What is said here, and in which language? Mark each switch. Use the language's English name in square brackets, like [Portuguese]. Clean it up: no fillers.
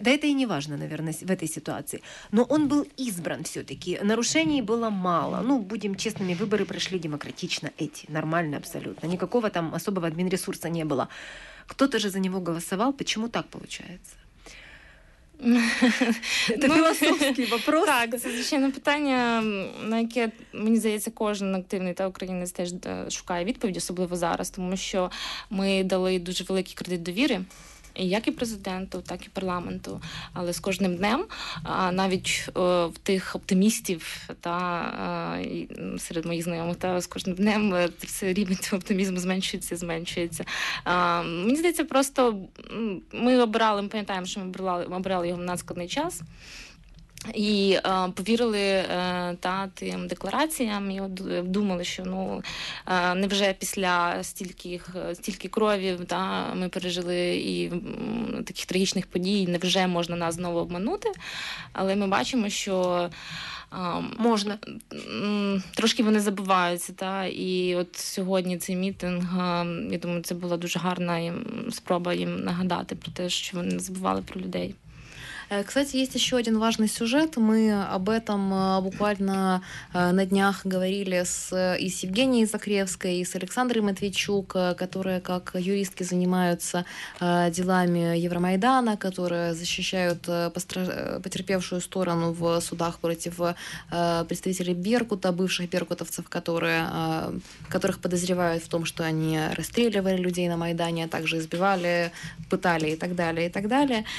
[Russian] Да это и не важно, наверное, в этой ситуации. Но он был избран все-таки, нарушений было мало. Ну, будем честными, выборы прошли демократично эти, нормально абсолютно. Никакого там особого админресурса не было. Кто-то же за него голосовал. Почему так получается? Это философский вопрос. [Ukrainian] Так, це звичайне питання, на яке, мені здається, кожен активний та українець теж шукає відповідь, особливо зараз, тому що ми дали дуже великий кредит довіри як і президенту, так і парламенту. Але з кожним днем, навіть в тих оптимістів та серед моїх знайомих, та з кожним днем цей рівень оптимізму зменшується, зменшується. Мені здається, просто ми обирали, ми пам'ятаємо, що ми обирали його в надскладний час. І повірили та тим деклараціям, і думали, що ну невже після стільки крові, та ми пережили і таких трагічних подій, невже можна нас знову обманути. Але ми бачимо, що можна трошки вони забуваються, та і от сьогодні цей мітинг. Я думаю, це була дуже гарна спроба їм нагадати про те, що вони забували про людей. [Russian] Кстати, есть еще один важный сюжет. Мы об этом буквально на днях говорили и с Евгенией Закревской, и с Александрой Матвейчук, которые как юристки занимаются делами Евромайдана, которые защищают потерпевшую сторону в судах против представителей Беркута, бывших беркутовцев, которых подозревают в том, что они расстреливали людей на Майдане, а также избивали, пытали и так далее, и так далее.